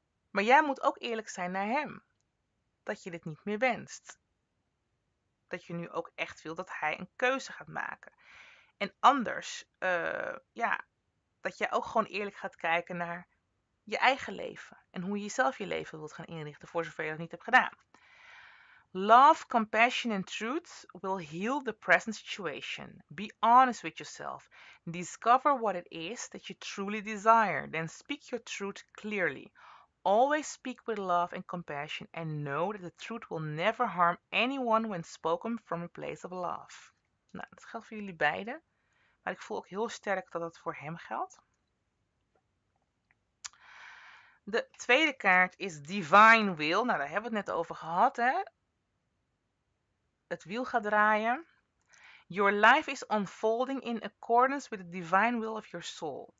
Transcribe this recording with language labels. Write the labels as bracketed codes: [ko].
[nl] Maar jij moet ook eerlijk zijn naar hem. Dat je dit niet meer wenst. Dat je nu ook echt wil dat hij een keuze gaat maken. En anders, ja, dat jij ook gewoon eerlijk gaat kijken naar je eigen leven. En hoe je jezelf je leven wilt gaan inrichten, voor zover je dat niet hebt gedaan. [en] Love, compassion and truth will heal the present situation. Be honest with yourself. Discover what it is that you truly desire. Then speak your truth clearly. Always speak with love and compassion and know that the truth will never harm anyone when spoken from a place of love. [nl] Nou, dat geldt voor jullie beiden. Maar ik voel ook heel sterk dat dat voor hem geldt. De tweede kaart is Divine Will. Nou, daar hebben we het net over gehad, hè. Het wiel gaat draaien. [en] Your life is unfolding in accordance with the divine will of your soul.